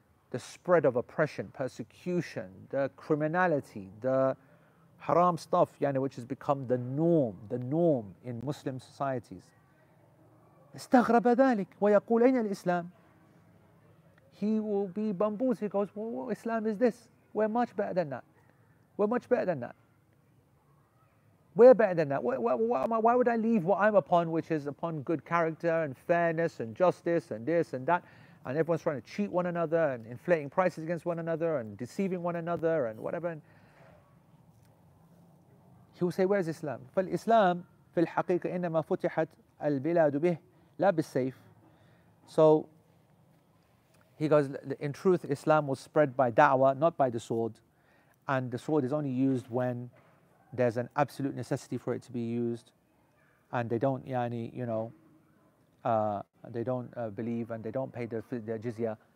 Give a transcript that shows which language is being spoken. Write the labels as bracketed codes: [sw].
[en] The spread of oppression, persecution, the criminality, the haram stuff, yani, which has become the norm in Muslim societies. [ar] استغرب ذلك ويقول أين الإسلام. [en] He will be bamboozled. He goes, well, what Islam is this? We're much better than that. We're much better than that. We're better than that. Why would I leave what I'm upon, which is upon good character and fairness and justice and this and that? And everyone's trying to cheat one another and inflating prices against one another and deceiving one another and whatever. And he will say, where is Islam? [ar] فالإسلام في الحقيقة إنما فتحت البلاد به لا بالسيف. [en] So he goes, in truth, Islam was spread by da'wah, not by the sword. And the sword is only used when there's an absolute necessity for it to be used. And they don't, yani, you know, they don't believe and they don't pay their jizya.